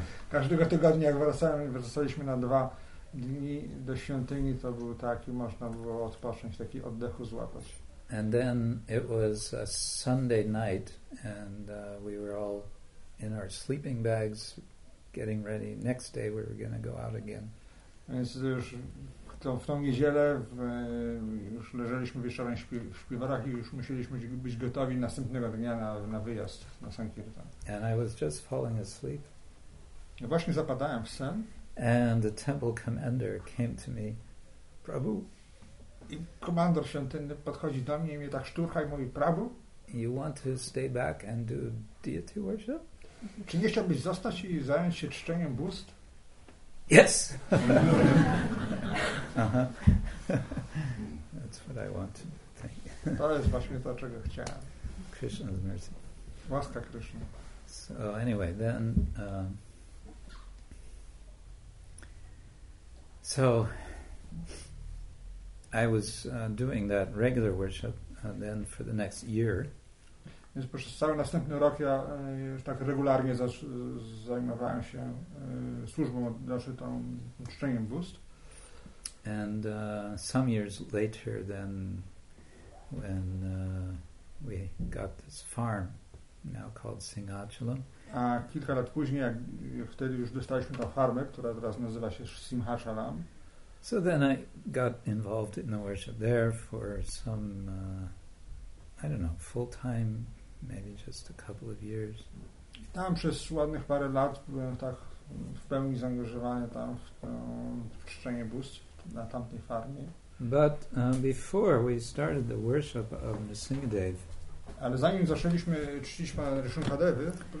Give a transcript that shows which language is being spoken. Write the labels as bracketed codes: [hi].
[pl] Każdego tygodnia, jak wracaliśmy na 2 dni do świątyni, to był taki, można było odpocząć, taki oddechu złapać. [en] And then it was a Sunday night, and we were all in our sleeping bags, getting ready. Next day we were going to go out again. [pl] Więc już w tą niedzielę już leżeliśmy wieczorem w śpiwarach i już musieliśmy być gotowi następnego dnia na wyjazd na Sankirtan. [en] And I was just falling asleep. [pl] Ja właśnie zapadałem w sen. [en] And the temple commander came to me. Prabhu. [pl] I komandor świątynny podchodzi do mnie i mnie tak szturcha i mówi, Prabhu. [en] You want to stay back and do deity worship? [pl] Czy nie chciałbyś zostać i zająć się czczeniem bóstw? [en] Yes. Uh-huh. That's what I want. Thank you. [pl] To jest właśnie to, czego chciałem. [en] Krishna's mercy. [pl] Łaska Krishna. [en] So anyway, then so I was doing that regular worship and then for the next year. [pl] Więc przez cały następny rok ja już tak regularnie zajmowałem się służbą, znaczy tą czczeniem bóstw. [en] And some years later then when we got this farm now called Singhachalam. [pl] A kilka lat później, jak wtedy już dostaliśmy tą farmę, która teraz nazywa się Singhachalam. [en] So then I got involved in the worship there for some, I don't know, full time. Maybe just a couple of years. [pl] Tam przez ładnych parę lat byłem tak w pełni zaangażowany tam w to czczenie bóstw na tamtej farmie. [en] But before we started the worship of Nrsimhadeva. [pl] Ale zanim zaczęliśmy czcić pana Nrsimhadevę.